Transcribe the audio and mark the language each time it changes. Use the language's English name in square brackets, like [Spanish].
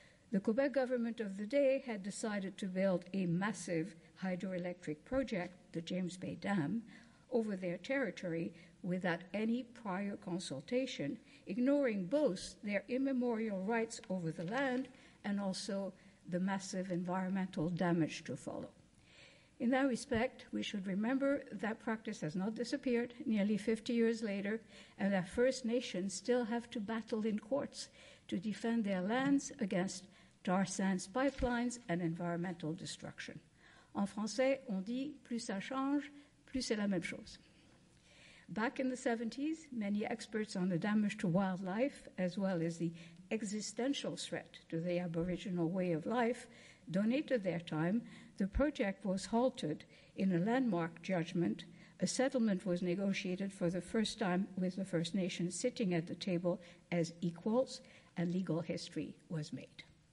[English] The Quebec government of the day had decided to build a massive hydroelectric project, the James Bay Dam, over their territory without any prior consultation, ignoring both their immemorial rights over the land and also the massive environmental damage to follow. In that respect, we should remember that practice has not disappeared nearly 50 years later, and that First Nations still have to battle in courts to defend their lands against tar sands pipelines and environmental destruction. [French] En français, on dit plus ça change, plus c'est la même chose. [English] Back in the 70s, many experts on the damage to wildlife, as well as the existential threat to the Aboriginal way of life, donated their time. The project was halted in a landmark judgment. A settlement was negotiated for the first time with the First Nations sitting at the table as equals, and legal history was made.